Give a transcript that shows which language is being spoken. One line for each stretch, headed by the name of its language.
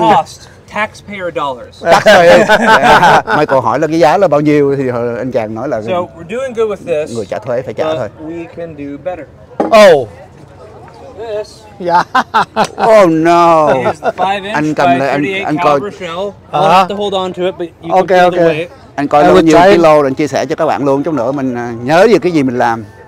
English: The cost, taxpayer dollars. Taxpayer. Yeah.
Vietnamese: Mày còn hỏi là cái giá là bao nhiêu thì anh chàng nói là
English: so, we're doing good with this,
Vietnamese: người trả thuế phải trả thôi.
English: We can do better. Oh. This. Yeah. Oh no. It is the 5-inch
Vietnamese: anh cầm lại anh coi.
English: I'll have to hold on to it, but you okay, can feel the weight.
Vietnamese: Anh coi nó bao nhiêu kilo để chia sẻ cho các bạn luôn, chút nữa mình nhớ về cái gì mình làm.